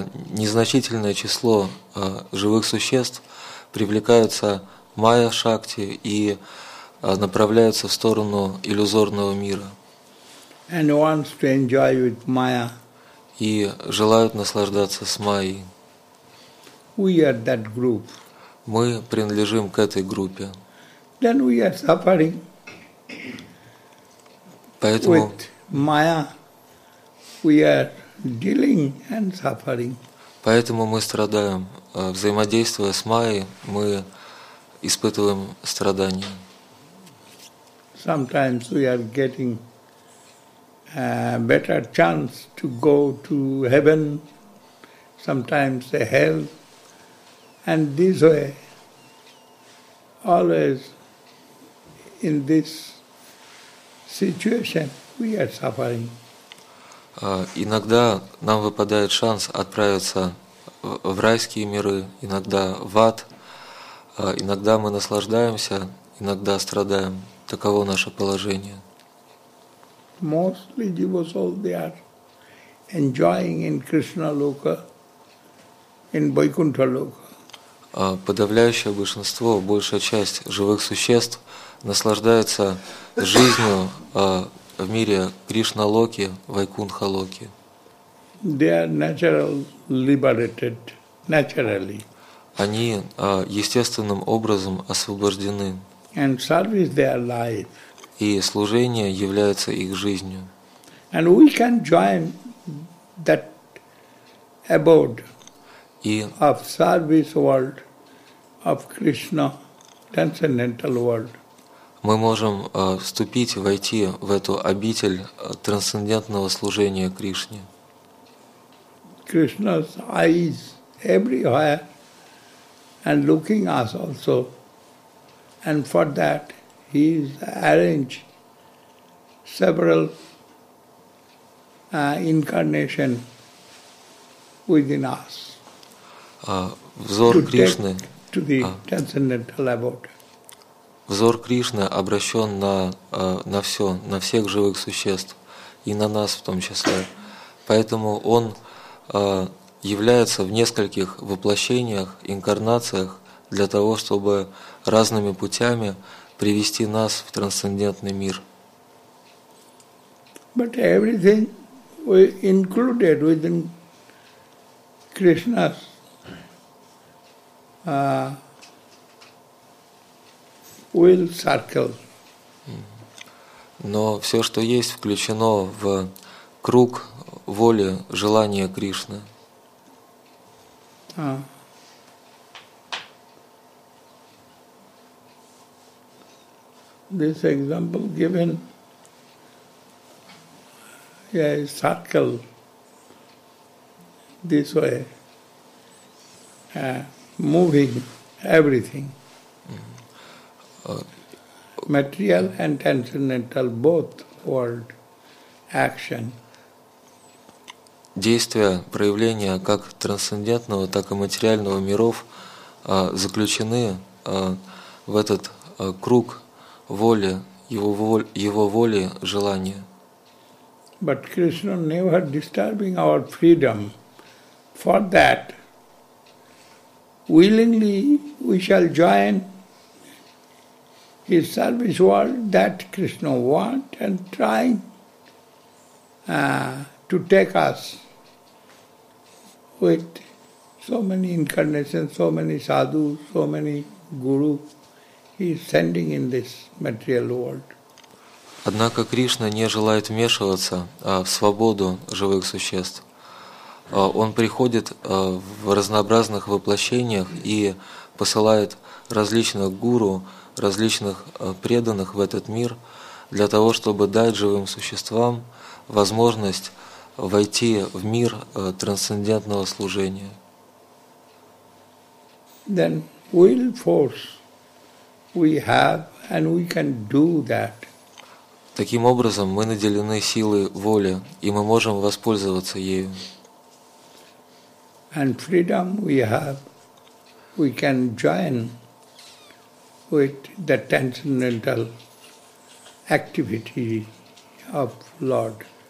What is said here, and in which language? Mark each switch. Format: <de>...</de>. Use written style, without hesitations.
<ru>незначительное число живых существ привлекаются Maya Shakti и направляются в сторону иллюзорного мира.</ru> <en>And wants to enjoy with Maya.</en> <ru>И желают наслаждаться с Майей.</ru> <en>We are that group.</en> <ru>Мы принадлежим к этой группе.</ru> <en>Then we are suffering.</en> <ru>Поэтому</ru> <en>with Maya we are dealing and suffering.</en> <ru>Поэтому мы страдаем. Взаимодействуя с Майей, мы испытываем страдания.</ru> <en>Sometimes we are getting a better chance to go to heaven, sometimes to hell, and this way, always in this situation, we are suffering.</en> <ru>Иногда нам выпадает шанс отправиться в райские миры, иногда в ад. Иногда мы наслаждаемся, иногда страдаем. Таково наше положение.</ru> <en>Mostly devotees all they are enjoying in Krishna Loka, in Vaikuntha Loka.</en> <ru>Подавляющее большинство, большая часть живых существ наслаждается жизнью в мире Кришна Локи, Вайкунха Локи.</ru> <en>They are naturally liberated, naturally.</en> <ru>Они естественным образом освобождены.</ru> <en>And service their life.</en> <ru>И служение является их жизнью.</ru> <en>And we can join that abode of service world, of Krishna, transcendental world.</en> <ru>Мы можем вступить, войти в эту обитель трансцендентного служения Кришне.</ru> <en>Krishna's eyes everywhere and looking us also. And for that, He is arranged several incarnation within us.</en> <ru>Взор Кришны.</ru> <en>To the transcendental abode.</en> <ru>Взор Кришны обращен на все, на всех живых существ и на нас в том числе. Поэтому он является в нескольких воплощениях, инкарнациях для того, чтобы разными путями привести нас в трансцендентный мир.</ru> <en>But everything we included within Krishna's will circle.</en> <ru>Но все, что есть, включено в круг воли, желания Кришны.</ru> <en>This example given a circle this way, moving everything. Material and transcendental, both world action.</en> <ru>Действия, проявления как трансцендентного, так и материального миров заключены в этот круг воли, его воли, желания.</ru> <en>But Krishna never disturbing our freedom. For that, willingly we shall join His service world that Krishna want and trying to take us with so many incarnations, so many sadhus, so many guru He is sending in this material world.</en> <ru>Однако Кришна не желает вмешиваться в свободу живых существ. Он приходит в разнообразных воплощениях и посылает различных гуру, различных преданных в этот мир для того, чтобы дать живым существам возможность войти в мир трансцендентного служения.</ru> <en>Then will force we have and we can do that.</en> <ru>Таким образом, мы наделены силой воли, и мы можем воспользоваться ею.</ru> <en>And freedom we have, we can join with the transcendental activity of Lord.</en>